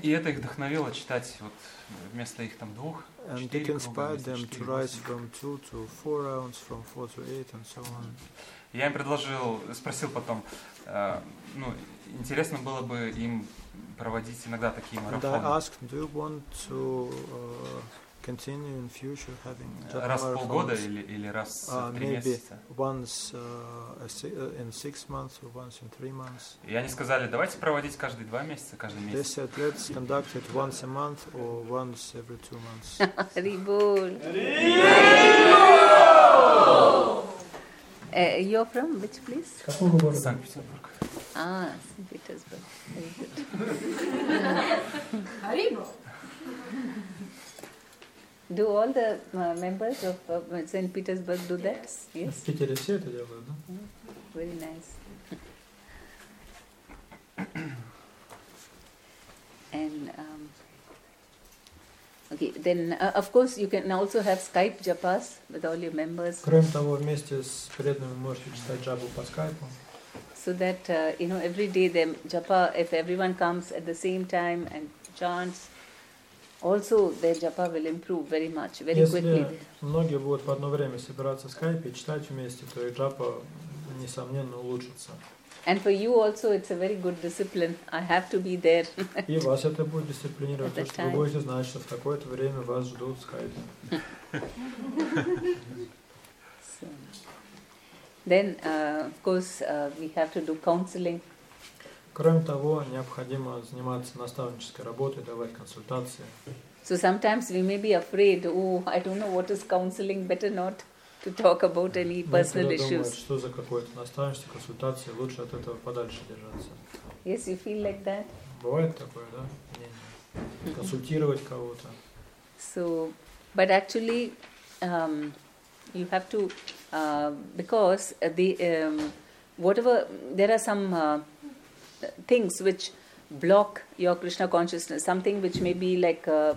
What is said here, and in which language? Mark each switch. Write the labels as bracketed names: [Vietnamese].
[Russian] И это их вдохновило читать вот вместо их там двух. [English] And it inspired [Russian] круга, [English] them to rise from 2 to 4 rounds, from 4 to 8, and so on. [Russian] Я им предложил, спросил потом, ну, интересно было бы им проводить иногда такие марафоны. [English] And I asked, do you want to continue in future having raw raw marathons? [Russian] Раз в полгода или раз в 3 месяца? [English] Once in 6 months or once in 3 months. [Russian] И они сказали, давайте проводить каждые 2 месяца, каждый месяц. [English] They said, let's conduct it once a month or once every 2 months. Рибул! You're from which place? St. Petersburg. Ah, St. Petersburg. Very good. Haribo! Do all the members of St. Petersburg do that? Yes. [Russian] В Питере все это делают, да? [English] Very nice. And okay, then of course you can also have Skype japas with all your members. [Russian] Кроме того, вместе с преданными можете читать джапу по Скайпу. [English] So that you know every day the japa, if everyone comes at the same time and chants, also their japa will improve very much, very quickly. [Russian] Если многие будут в одно время собираться в Скайпе и читать вместе, то их джапа несомненно улучшится. [English] And for you also, it's a very good discipline. I have to be there. [Russian] И вас это будет дисциплинировать, потому что вы будете знать, что в какое-то время вас ждут Skype. [English] Then, of course, we have to do counseling. [Russian] Кроме того, необходимо заниматься наставнической работой, давать консультации. [English] So sometimes we may be afraid. Oh, I don't know what is counseling. Better not. To talk about any personal issues. [Russian] Что за какое-то наставничество, консультация, лучше от этого подальше держаться. [English] Yes, you feel like that? [Russian] Бывает такое, да? Консультировать кого-то. [English] So, but actually, you have to, because the whatever there are some things which block your Krishna consciousness, something which may be like.